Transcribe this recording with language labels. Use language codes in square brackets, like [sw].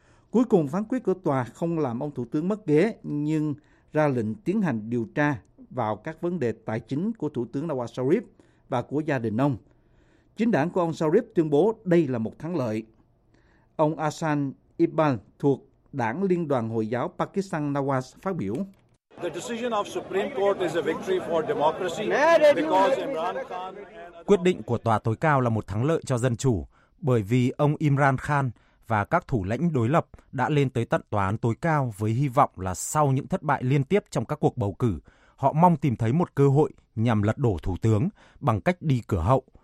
[vi] Cuối cùng, phán quyết của tòa không làm ông thủ tướng mất ghế, nhưng ra lệnh tiến hành điều tra vào các vấn đề tài chính của thủ tướng Nawaz Sharif và của gia đình ông. Chính đảng của ông Sharif tuyên bố đây là một thắng lợi. Ông Ahsan Iqbal thuộc Đảng Liên đoàn Hồi giáo Pakistan Nawaz phát biểu: [en] The decision of Supreme Court is a victory for democracy because Imran Khan. [vi] Quyết định của tòa tối cao là một thắng lợi cho dân chủ bởi vì ông Imran Khan và các thủ lãnh đối lập đã lên tới tận tòa án tối cao với hy vọng là sau những thất bại liên tiếp trong các cuộc bầu cử, họ mong tìm thấy một cơ hội nhằm lật đổ thủ tướng bằng cách đi cửa hậu.